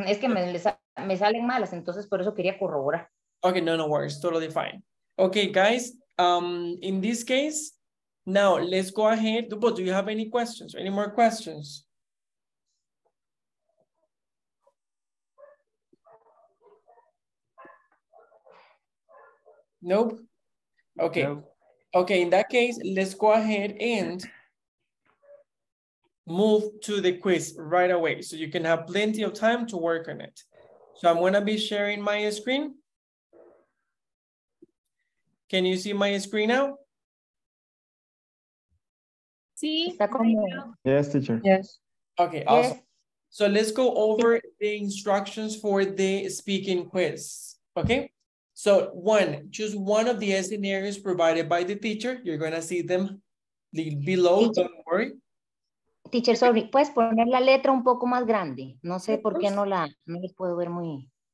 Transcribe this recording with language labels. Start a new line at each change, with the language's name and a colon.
Spanish: Es que me salen malas, entonces por eso quería corroborar.
English: Okay, no worries, totally fine. Okay, guys, in this case, now let's go ahead. Dupo, do you have any questions? Any more questions? Nope. Okay. Nope. Okay, in that case, let's go ahead and move to the quiz right away so you can have plenty of time to work on it. So I'm going to be sharing my screen. Can you see my screen now?
Spanish: Sí. Está como...
English: Yes, teacher. Yes. Okay, awesome. Yes. So let's go over the instructions for the speaking quiz, okay? So one, choose one of the scenarios provided by the teacher. You're going to see them below, teacher. Don't worry. Teacher, sorry,
Spanish: ¿puedes poner la letra un poco más grande? No sé por qué no la puedo ver muy...